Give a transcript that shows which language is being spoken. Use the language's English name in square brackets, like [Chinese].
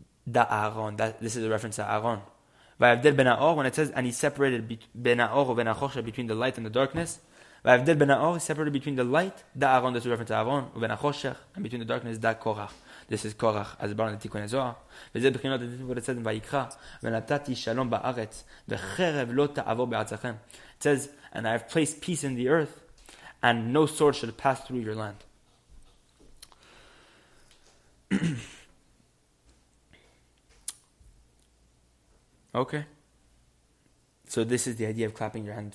[Hebrew] Da Aaron, [English] this is a reference to Aaron. [Hebrew] Vayevdel ben ha'or, [English] when it says, and he separated [Hebrew] ben ha'or or ben ha'chosha, [English] between the light and the darkness. [Hebrew] Vayevdel ben ha'or, [English] separated between the light, [Hebrew] da Aaron, [English] this is a reference to Aaron, [Hebrew] ben ha'chosher, [English] and between the darkness, [Hebrew] da Korach. [English] This is Korach, as born in the Tikkun HaZohar. [Hebrew] וזה בחינות, [English] this is what it says in Vayikra, [Hebrew] ונתתי שלום בארץ, וחרב לא תעבור בארצכם. [English] It says, and I have placed peace in the earth, and no sword shall pass through your land. Okay. So this is the idea of clapping your hand.